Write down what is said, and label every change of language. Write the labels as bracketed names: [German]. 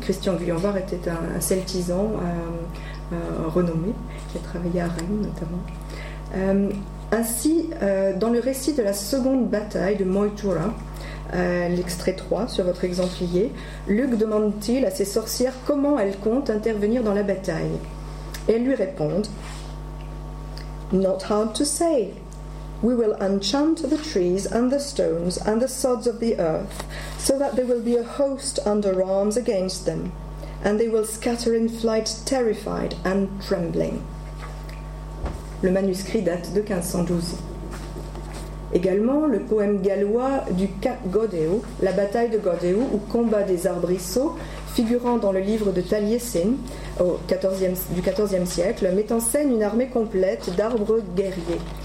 [French] Christian Guyonvar était un celtisan renommé, qui a travaillé à Rennes notamment. Ainsi, dans le récit de la seconde bataille de Moytura, l'extrait 3 sur votre exemplier, Luc demande-t-il à ses sorcières comment elles comptent intervenir dans la bataille. Et elles lui répondent « [English] Not hard to say. We will enchant the trees and the stones and the sods of the earth, so that there will be a host under arms against them, and they will scatter in flight terrified and trembling. » [French] Le manuscrit date de 1512. Également, le poème gallois du Cap Godeu, la bataille de Godeu ou combat des arbrisseaux, figurant dans le livre de Taliesin du XIVe siècle, met en scène une armée complète d'arbres guerriers.